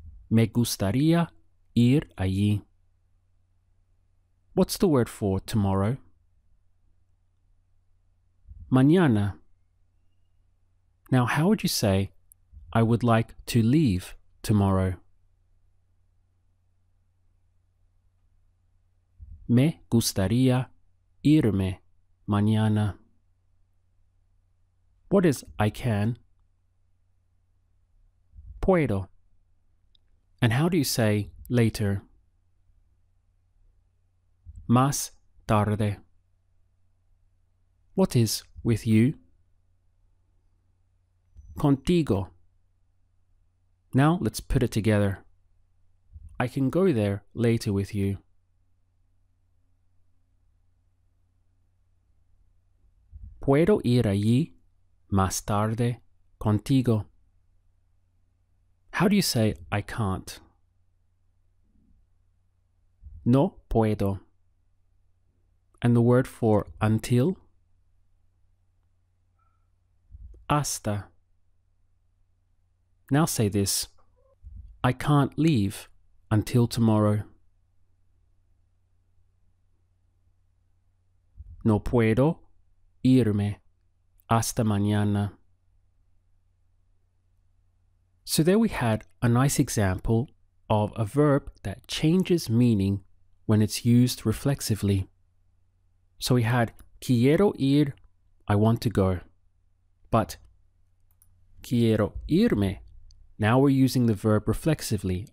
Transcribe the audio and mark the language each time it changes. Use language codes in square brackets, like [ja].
[es] Me gustaría ir allí. [en] What's the word for tomorrow? Mañana. Now, how would you say, I would like to leave tomorrow? [es] Me gustaría irme mañana. [en] What is I can? Puedo. And how do you say later? [es] Más tarde. [en] What is with you? [es] Contigo. [en] Now let's put it together. I can go there later with you. [es] Puedo ir allí más tarde contigo. [en] How do you say I can't? [es] No puedo. [en] And the word for until? [es] Hasta. [en] Now say this. I can't leave until tomorrow. [es] No puedo irme hasta mañana. [en] So there we had a nice example of a verb that changes meaning when it's used reflexively. So we had [es] quiero ir, [en] I want to go. but [es] quiero irme. [en] Now we're using the verb reflexively.